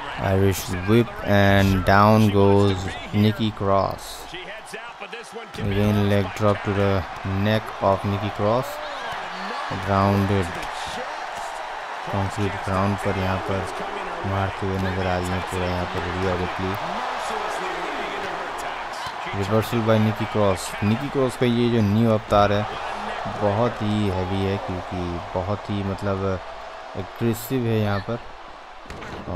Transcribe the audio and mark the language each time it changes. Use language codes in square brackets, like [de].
[en] Irish whip and down goes Nikki Cross. Again, leg drop to the neck of Nikki Cross. Grounded. [hi] कौन सी ground पर यहाँ पर मारते हुए नजर आ रही है पूरा यहाँ पर रिया रिपली। [en] Reversal by Nikki Cross. [hi] निकी क्रॉस का ये जो न्यू अवतार है बहुत ही हैवी है क्योंकि बहुत ही मतलब एग्रेसिव है यहाँ पर।